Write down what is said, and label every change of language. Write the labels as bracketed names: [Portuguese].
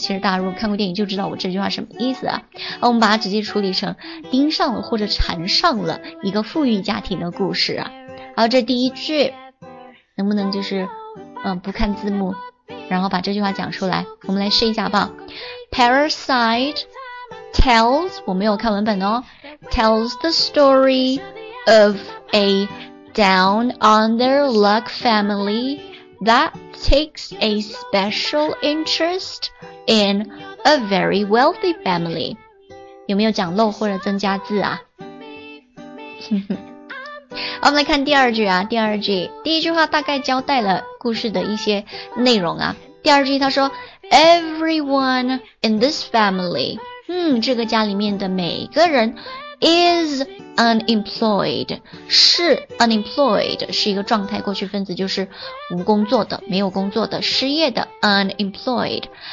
[Chinese] 其实大家如果看过电影就知道我这句话什么意思啊。我们把它直接处理成盯上了或者缠上了一个富裕家庭的故事啊。好，这第一句能不能就是不看字幕然后把这句话讲出来，我们来试一下吧。 [English] Parasite tells, [Chinese] 我没有看文本哦， [English] tells the story of a down on their luck family that takes a special interest in a very wealthy family. [Chinese] 有没有讲漏或者增加字啊？我们来看第二句啊，第二句，第一句话大概交代了故事的一些内容啊。第二句他说 [English] Everyone in this family [Chinese] 这个家里面的每个人 [English] is unemployed [Chinese] 是 unemployed 是一个状态过去分词，就是无工作的，没有工作的，失业的 unemployed